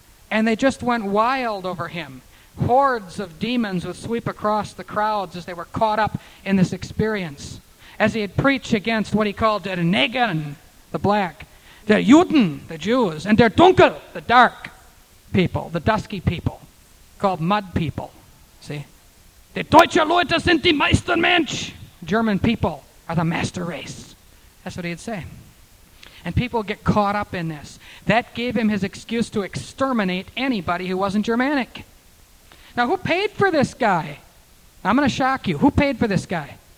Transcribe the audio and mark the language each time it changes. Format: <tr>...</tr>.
<en>And they just went wild over him. Hordes of demons would sweep across the crowds as they were caught up in this experience. As he'd preach against what he called der Negern, the black, der Juden, the Jews, and der Dunkel, the dark people, the dusky people, called mud people, see?</en> <de>Die deutsche Leute sind die Meistermensch.</de> <en>German people are the master race. That's what he'd say. And people get caught up in this. That gave him his excuse to exterminate anybody who wasn't Germanic. Now, who paid for this guy? I'm going to shock you. Who paid for this guy?</en>